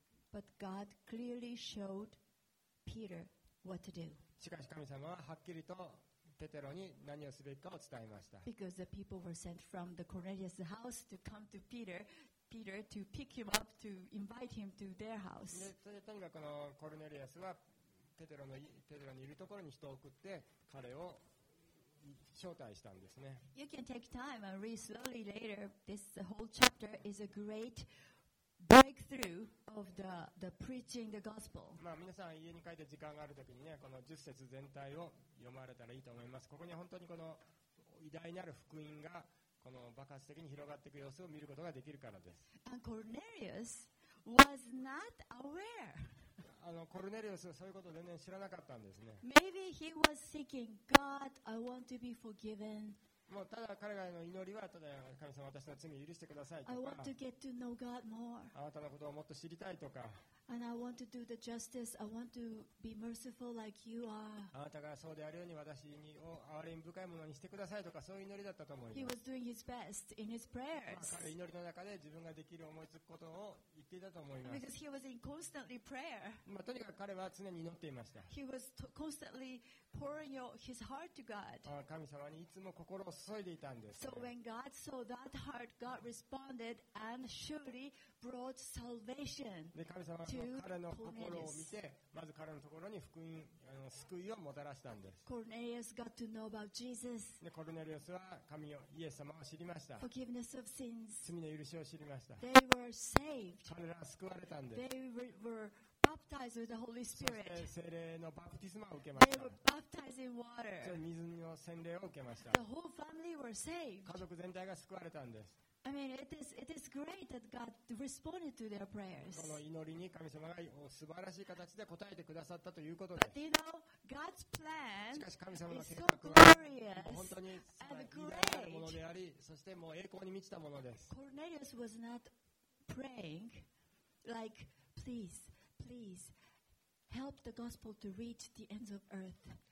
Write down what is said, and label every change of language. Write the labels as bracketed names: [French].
[English] But God clearly showed Peter what to do. [Japanese] しかし神様ははっきりとペテロに何をすべきかを伝えました。 [English] Because the people were sent from the Cornelius house to come to Peter to pick him up to invite him to their house. [Japanese] でとにかくこのコルネリアスはペテロのいるところに人を送って彼を招待したんですね。 [English] You can take time and read slowly later. This whole chapter is a great breakthrough of the preaching the gospel. [Japanese] まあ皆さん家に帰って時間があるときにね、この10節全体を読まれたらいいと思います。ここに本当にこの偉大なる福音がこの爆発的に広がっていく様子を見ることができるからです。 [English] And Cornelius was not aware. [Japanese] あのコルネリウスはそういうことを全然知らなかったんですね。 [English] Maybe he was seeking God, I want to be forgiven. [Japanese] もうただ彼らの祈りはただ神様私の罪を許してくださいとか、 [English] I want to get to know God more. [Japanese] あなたのことをもっと知りたいとか、 [English] And I want to do the justice. I want to be merciful like you are. [Japanese] あなたがそうであるように私に憐れみ深いものにしてくださいとかそういう祈りだったと思います。 [English] He was doing his best in his prayers. [Japanese] 彼は祈りの中で自分ができる思いつくことを言っていたと思います。 [English] Because he was in constantly prayer. [Japanese] まあとにかく彼は常に祈っていました。 [English] He was constantly pouring his heart to God. [Japanese] 神様にいつも心を注いでいたんです。 [English] So when God saw that heart, God responded and surely brought salvation. [Japanese] で神様彼の心を見て、まず彼のところに福音、救いをもたらしたんです。 [English] コルネリウス got to know about Jesus. [Japanese] で、コルネリウスは神をイエス様を知りました。 [English] Forgiveness of sins. [Japanese] 罪の許しを知りました。 [English] They were saved. [Japanese] 彼らは救われたんです。 [English] They were baptized with the Holy Spirit. [Japanese] そして聖霊のバプティスマを受けました。 [English] They were baptized in water. [Japanese] そして水の洗礼を受けました。 [English] The whole family were saved. [Japanese] 家族全体が救われたんです。 [English] I mean, it is great that God responded to their prayers. [Japanese] この祈りに神様が素晴らしい形で答えてくださったということです。 [English] But you know, God's plan [Japanese] しかし神様の計画は本当に偉大なものであり、そしてもう栄光に満ちたものです。 [English] Cornelius was not praying like, please, please help the gospel to reach the ends of earth.